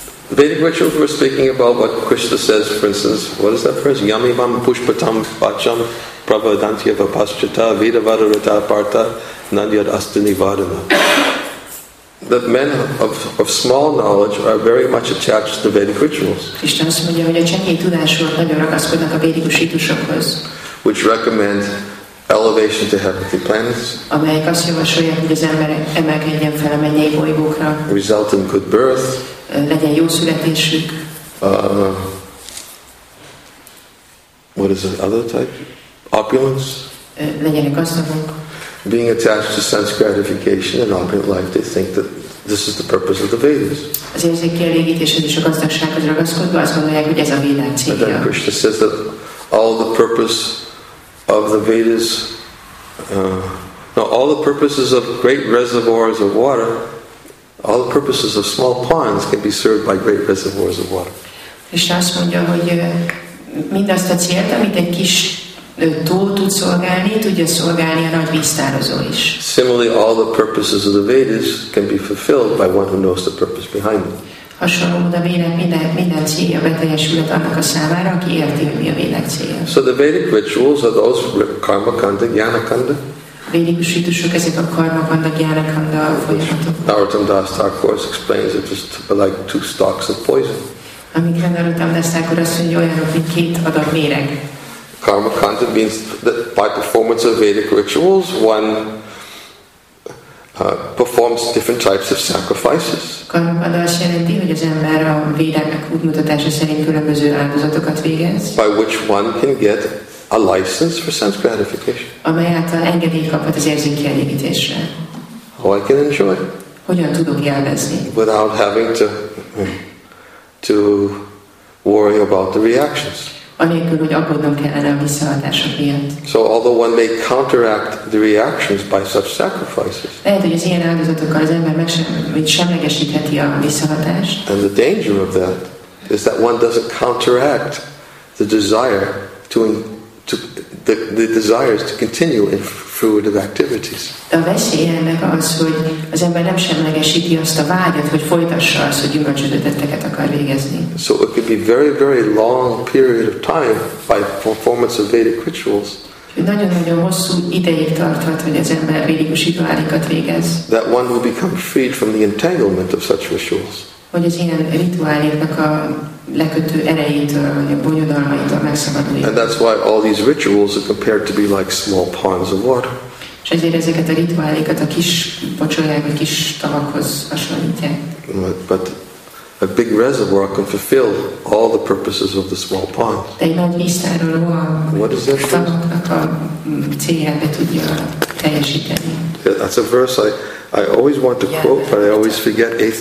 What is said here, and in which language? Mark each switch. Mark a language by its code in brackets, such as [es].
[en] Vedic rituals, we're speaking about what Krishna says, for instance, what is that phrase? [sa] Yami vam pushpatam vacham pravadantya vapaschata vidavadarita partha nandiyad astini vadana. [en] That men of small knowledge are very much attached to Vedic rituals. [hu] Krishna azt mondja, hogy a csengély tudásról nagyon ragaszkodnak a védikus ritusokhoz. [en] Which recommend elevation to heavenly planets. [hu] Amelyek azt javasolják, hogy az ember emelkedjen fel a mennyei bolygókra. [en] Result in good birth. [hu] Legyen jó születésük. [en] What is the other type? Opulence? [hu] Legyenek gazdagok. [en] Being attached to sense gratification in opulent life, they think that this is the purpose of the Vedas. [hu] Az érzéki elégítéshez és a gazdagsághoz ragaszkodva azt gondolják, hogy ez a világ célja. [en] But then Krishna says that all the purpose of the Vedas, all the purposes of great reservoirs of water, all the purposes of small ponds can be served by great reservoirs of water. [hu] Krishna azt mondja, hogy mindazt a célt, amit egy kis tó tud szolgálni, tudja szolgálni a nagy víztározó is. [en] Similarly, all the purposes of the Vedas can be fulfilled by one who knows the purpose behind them. [hu] Hasonló módon a Védák minden célja beteljesülhet annak a számára, aki érti, hogy mi a Védák célja. [en] So the Vedic rituals are those karma kanda, jnana kanda. [hu] Védikus rítusok, ezek a karma kanda, jnana kanda folyamatok. [en] Narottam Das Thakur explains it just like two stalks of poison. [hu] Amikre Narottam Das Thakur azt mondja, olyanok, mint két adag méreg. [en] Karma kanda means that by performance of Vedic rituals, one performs different types of sacrifices. [hu] Karma kanda azt jelenti, hogy az ember a Védák útmutatása szerint különböző áldozatokat végez. [en] By which one can get a license for sense gratification. [hu] Amely által engedélyt kaphat az érzéki elégítésre. [en] How I can enjoy. [hu] Hogyan tudok élvezni? [en] Without having to worry about the reactions. [hu] Anélkül, hogy aggódnom kellene a visszahatások miatt. [en] So although one may counteract the reactions by such sacrifices. [hu] Lehet, hogy az ilyen áldozatokkal az ember semlegesítheti a visszahatást. [en] And the danger of that is that one doesn't counteract the desire to the desires to continue in fruit of activities. [hu] A veszély ennek az, hogy az ember nem semlegesíti azt a vágyat, hogy folytassa azt, hogy gyümölcsöző tetteket akar végezni. [en] So it could be very, very long period of time by performance of Vedic rituals. [hu] Nagyon-nagyon hosszú ideig tarthat, hogy az ember védikus rituálikat végez. [en] That one will become freed from the entanglement of such rituals. [hu] Hogy az ilyen rituáléknak a lekötő erejétől, vagy a bonyodalmaitól megszabaduljon. [en] And that's why all these rituals are compared to be like small ponds of water. [hu] És ezért ezeket a rituálékat a kis pocsolják, a kis tavakhoz hasonlítják. [en] But a big reservoir can fulfill all the purposes of the small pond. [hu] De egy nagy víztároló a tavaknak a célját be tudja teljesíteni. [en] Yeah, that's a verse I always want to quote, but I always forget.